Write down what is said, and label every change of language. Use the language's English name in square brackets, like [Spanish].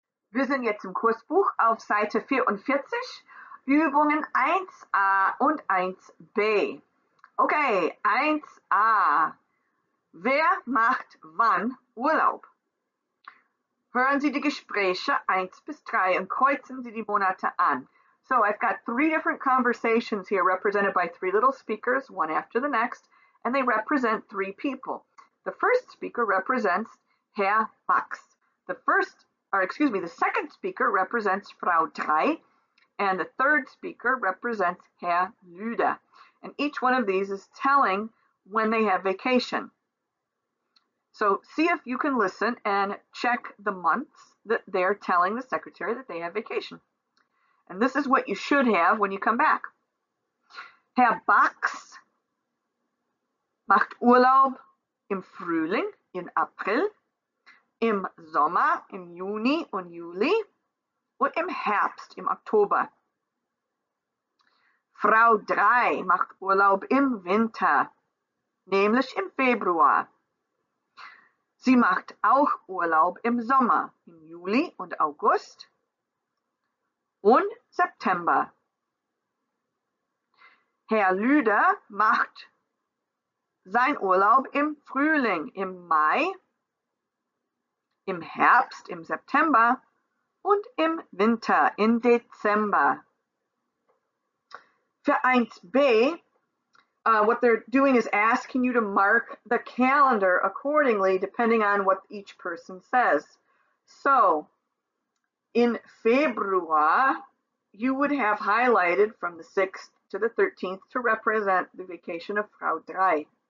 [German] Wir sind jetzt im Kursbuch auf Seite 44, Übungen 1a und 1b. Okay, 1a. Wer macht wann Urlaub? Hören Sie die Gespräche 1 bis 3 und kreuzen Sie die Monate an. [English] So, I've got three different conversations here represented by three little speakers, one after the next, and they represent three people. The first speaker represents Herr Max. The first Or excuse me, the second speaker represents Frau Drei, and the third speaker represents Herr Lüder. And each one of these is telling when they have vacation. So see if you can listen and check the months that they're telling the secretary that they have vacation. And this is what you should have when you come back. [German] Herr Bax macht Urlaub im Frühling, in April. Im Sommer, im Juni und Juli und im Herbst, im Oktober. Frau Drei macht Urlaub im Winter, nämlich im Februar. Sie macht auch Urlaub im Sommer, im Juli und August und September. Herr Lüder macht sein Urlaub im Frühling, im Mai, im Herbst, im September und im Winter, im Dezember. [English] Für 1b, what they're doing is asking you to mark the calendar accordingly, depending on what each person says. So, in Februar, you would have highlighted from the 6th to the 13th to represent the vacation of Frau Drei.